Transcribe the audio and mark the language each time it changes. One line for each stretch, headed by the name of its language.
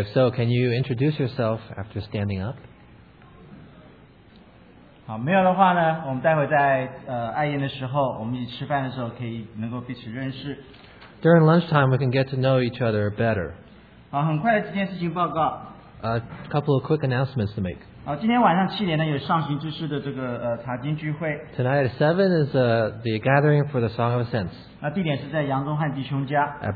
English: If so, can you introduce yourself after standing up?
Chinese: 好，没有的话呢，我们待会在爱宴的时候，我们一起吃饭的时候，可以能够彼此认识。
English: During lunchtime, we can get to know each other better.
Chinese: 好，很快的几件事情报告。
English: A couple of quick announcements to make.
Chinese: 今天晚上七点呢，有上行之士的这个查经聚会。
English: Tonight at 7 is the gathering for the Song of Ascents.
Chinese: 那地点是在杨宗汉弟兄家。
English: At